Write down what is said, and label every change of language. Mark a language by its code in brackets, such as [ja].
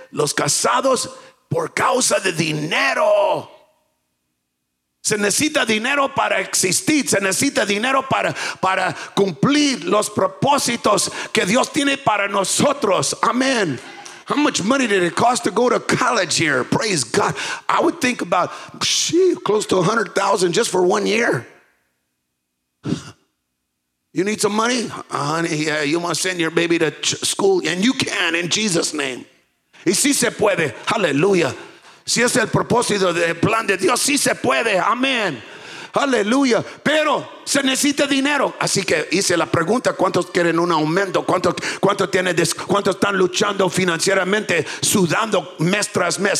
[es] Los casados por causa de dinero. Se necesita dinero para existir. Se necesita dinero para cumplir los propósitos que Dios tiene para nosotros. [en] Amén. How much money did it cost to go to college here? Praise God. I would think about close to $100,000 just for 1 year. You need some money? Honey, yeah, you want to send your baby to school? And you can in Jesus' name. [es] Y sí se puede, aleluya. Si es el propósito del plan de Dios, sí se puede, amén. Aleluya. Pero se necesita dinero. Así que hice la pregunta: ¿cuántos quieren un aumento? ¿Cuántos están luchando financieramente, sudando mes tras mes?